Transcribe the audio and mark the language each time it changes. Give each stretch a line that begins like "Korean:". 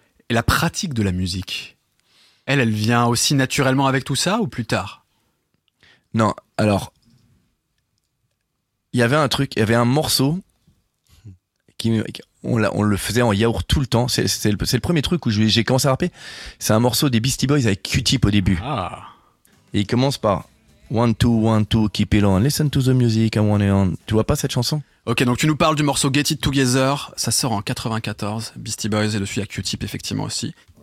French: Et la pratique de la musique, elle vient aussi naturellement avec tout ça ou plus tard? Non, alors, il y avait un morceau, on le faisait en yaourt tout le temps, c'est le premier truc où j'ai commencé à rapper, c'est un morceau des Beastie Boys avec Q-Tip au début. Ah. Et il commence par...
English: 1-2-1-2, keep it on, listen to the music, I want it on.
French: Tu vois pas cette chanson? Ok, donc tu nous parles du morceau Get It Together, ça sort en 94, Beastie Boys et dessus à Q-Tip effectivement aussi.